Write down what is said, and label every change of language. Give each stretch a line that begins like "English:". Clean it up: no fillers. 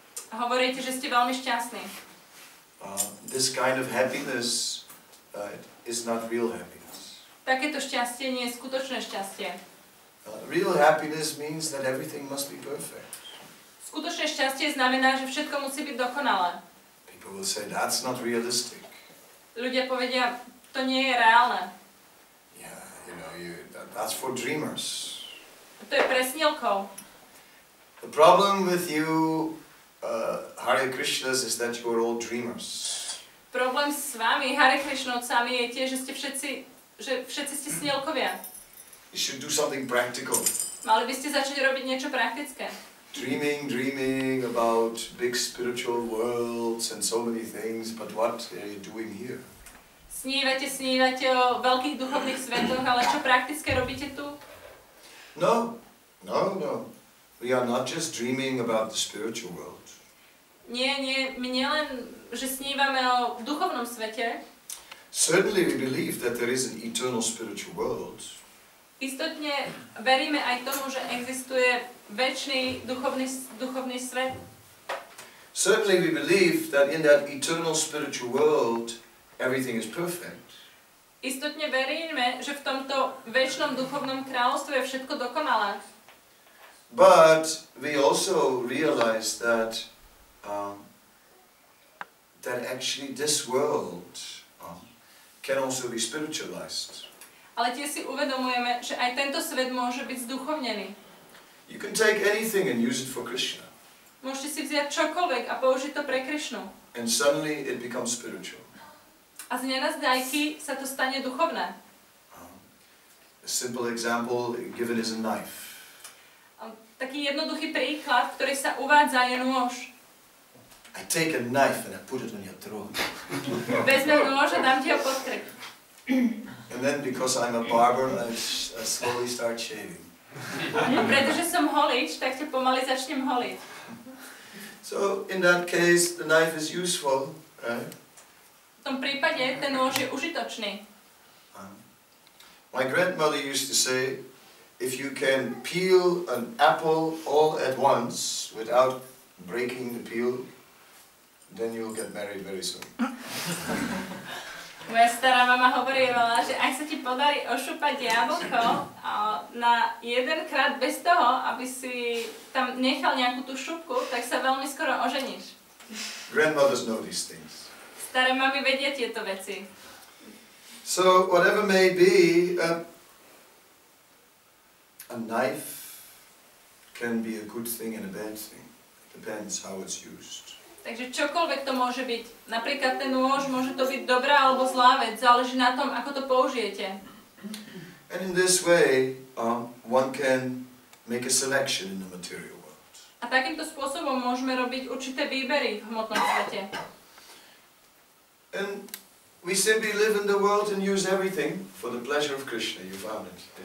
Slovak: A hovoríte, že ste veľmi šťastní.
English: This kind of happiness is not real happiness.
Slovak: Takéto šťastie nie je skutočné šťastie.
English: Real happiness means that everything must be perfect.
Slovak: Skutočné šťastie znamená, že všetko musí byť dokonalé.
English: People will say that's not realistic.
Slovak: Ľudia povedia, to nie je reálne.
English: Yeah, you know, that's for dreamers.
Slovak: To je pre snílkov.
English: The problem with you Hare Krishnas is that you are all dreamers.
Slovak: Problém s vami Hare Krishnovcami je tie, že všetci ste snílkovia.
English: You should do something practical.
Slovak: Mali by ste začať robiť niečo praktické.
English: Dreaming about big spiritual worlds and so many things, but what are you doing here?
Slovak: Snívate o veľkých duchovných svetoch, ale čo praktické robíte tu?
English: No. We are not just dreaming about the spiritual world.
Slovak: Nie, my nielen, že snívame o duchovnom svete.
English: Certainly we believe that there is an eternal spiritual world.
Slovak: Istotne veríme aj tomu, že existuje večný duchovný svet.
English: Certainly we believe that in that eternal spiritual world everything is perfect.
Slovak: Istotne veríme, že v tomto večnom duchovnom kráľovstve je všetko dokonalé.
English: But we also realize that that actually this world can also be spiritualized.
Slovak: Ale tiež si uvedomujeme, že aj tento svet môže byť zduchovnený.
English: You can take anything and use it for Krishna.
Slovak: Môžete si vziať čokoľvek a použiť to pre Krišnu.
English: And suddenly it becomes spiritual.
Slovak: A z nenazdajky sa to stane duchovné.
English: A simple example given is a knife.
Slovak: Taký jednoduchý príklad, ktorý sa uvádza, je nôž.
English: I take a knife and I put it on your throat.
Slovak: Vezmem nôž a dám ti ho pod krk.
English: And then because I'm a barber, I slowly start shaving.
Slovak: Pretože som holič, tak ťa pomaly začnem holiť.
English: So in that case the knife is useful, right?
Slovak: V tom prípade ten nôž je užitočný.
English: My grandmother used to say, if you can peel an apple all at once without breaking the peel, then you'll get married very soon.
Slovak: Moja stará mama hovorievala, že ak sa ti podarí ošúpať jablko na jedenkrát bez toho, aby si tam nechal nejakú tú šupku, tak sa veľmi skoro oženíš.
English: Grandmothers know these things.
Slovak: Staré mami vedia tieto veci.
English: So whatever may be, a knife can be a good thing and a bad thing. It depends how it's used.
Slovak: Takže čokoľvek to môže byť, napríklad ten nôž, môže to byť dobrá alebo zlá vec, záleží na tom, ako to použijete.
English: And in this way, one can make a selection in the material world.
Slovak: A takýmto spôsobom môžeme robiť určité výbery v hmotnom svete.
English: And we simply live in the world and use everything for the pleasure of Krishna, you found it.